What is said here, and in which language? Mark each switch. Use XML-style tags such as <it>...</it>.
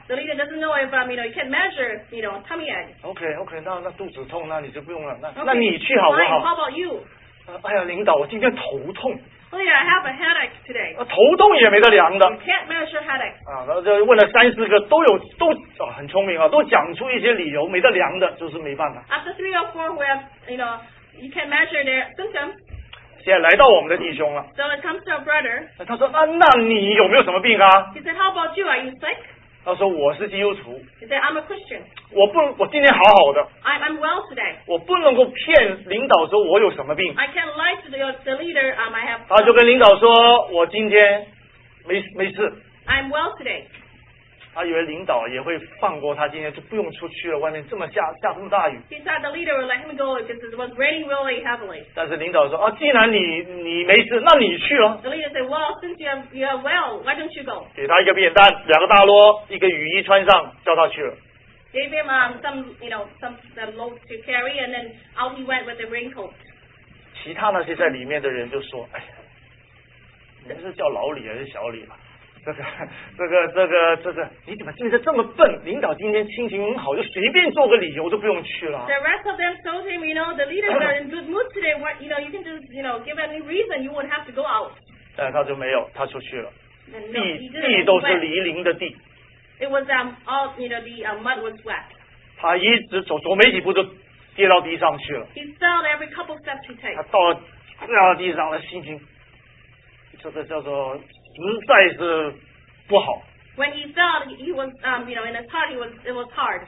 <en>？The leader doesn't know if you can measure, tummy ache.</en> <zh>Okay, okay, 那肚子痛，那你就不用了。</zh> <en>Okay,</en> <zh>那你去好不好</zh> <en>fine, ？How about you?、</en> <zh>哎呀，领导，我今天头痛。</zh> <en>Oh yeah, I have a headache today.</en> <zh>头痛也没得量的。</zh> <en>You can't measure headache.</en> <zh>啊，然后就问了三四个，都、啊、很聪明啊，都讲出一些理由，没得量的，就是没办法。</zh> <en>After three or four, we have, you can't measure their symptoms.</en> <zh>现在来到我们的弟兄了。</zh> <en>So it comes to our brother.</en> <zh>他说啊，那你有没有什么病啊</zh> <en>？He said, "How about you? Are you sick?"</en> <zh>他说我是基督徒。</zh> <en>He said, "I'm a Christian."</en> <zh>我今天好好的。</zh> <en>I'm well today.</en> <zh>我不能够骗领导说我有什么病。</zh> <en>I can't lie to the leader. I have.</en> <zh>他就跟领导说，我今天没事。</zh> <en>I'm well today.</en> <zh>他以为领导也会放过他，今天就不用出去了。外面这么下这么大雨。</zh> <en>He said the leader would let him go because it was raining really heavily.</en> <zh>但是领导说啊，既然你没事，那你去哦。</zh> <en>The leader said, "Well, since you are well, why don't you go?"</en> <zh>给他一个扁担，两个大箩，一个雨衣穿上，叫他去了。</zh> <en>Gave him some load to carry, and then out he went with the raincoat.</en> <zh>其他那些在里面的人就说：“哎呀，你们是叫老李还是小李吧？” 这个，你怎么今天这么笨？领导今天心情很好，就随便做个理由都不用去了。</zh> <en>The rest of them told him, you know, the leaders are in good mood today. What, you know, you can just, you know, give any reason, you won't have to go out.</en> <zh>但他就没有，他出去了。地都是泥泞的地。</zh> <en>It was all, you know, the mud was wet.</en> <zh>他一直走没几步就跌到地上去了。</zh> <en>He fell every couple steps he takes.</en> <zh>他掉到地上了，心情，这个叫做。实在是不好。</zh> <en>When he felt he was, you know, in his heart, it was hard.</en>